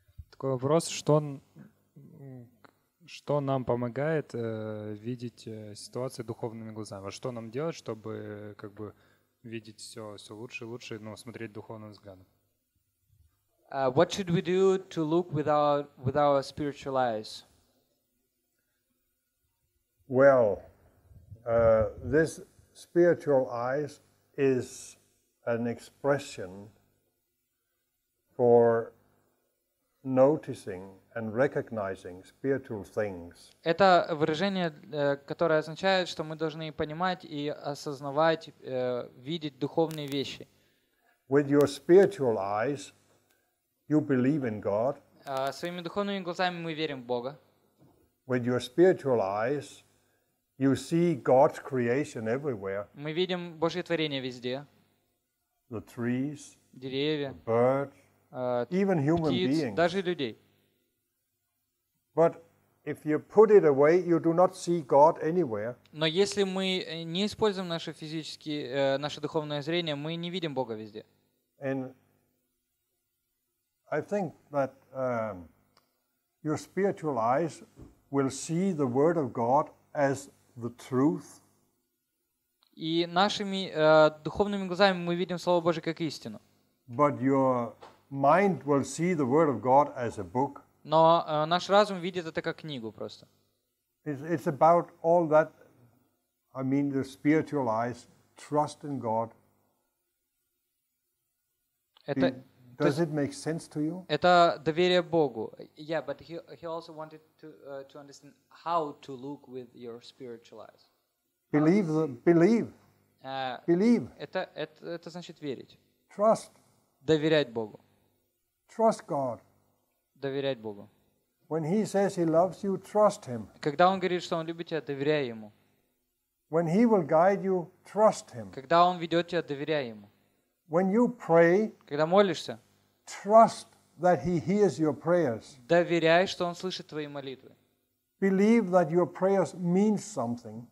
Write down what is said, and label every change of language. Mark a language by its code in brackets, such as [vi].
[ru] Такой вопрос, что нам помогает видеть ситуацию духовными глазами? Что нам делать, чтобы как бы видеть все лучше и лучше, ну, смотреть духовным взглядом? [en] What should we do to look with our spiritual eyes? Well, this spiritual eyes is an expression for noticing and recognizing spiritual things. [ru] Это выражение, которое означает, что мы должны понимать и осознавать, видеть духовные вещи. [en] With your spiritual eyes, you believe in God. [ru] Своими духовными глазами мы верим в Бога. [en] With your spiritual eyes, you see God's creation everywhere. [ru] Мы видим Божье творение везде. [en] The trees, [ru] деревья, [en] the birds, even human [ru] птиц, [en] beings. [ru] Даже людей. [en] But if you put it away, you do not see God anywhere. [ru] Но если мы не используем наше физическое, наше духовное зрение, мы не видим Бога везде. [en] And I think that your spiritual eyes will see the Word of God as the truth. [ru] И нашими духовными глазами мы видим Слово Божие как истину. [en] But your mind will see the Word of God as a book. [ru] Но наш разум видит это как книгу просто. [en] It's about all that, I mean, the spiritual eyes, trust in God. [ru] Это, [en] does it make sense to you? [ru] Это доверие Богу. [en] Yeah, but he also wanted to understand how to look with your spiritual eyes. Believe. [ru] Это значит верить. [en] Trust. [ru] Доверять Богу. [en] Trust God. [ru] Доверять Богу. [en] When he says he loves you, trust him. [ru] Когда он говорит, что он любит тебя, доверяй ему. [en] When he will guide you, trust him. [ru] Когда он ведет тебя, доверяй ему. [en] When you pray, [ru] когда молишься, [en] trust that he hears your prayers. [ru] Доверяй, что он слышит твои молитвы. [en] Believe that your prayers mean something.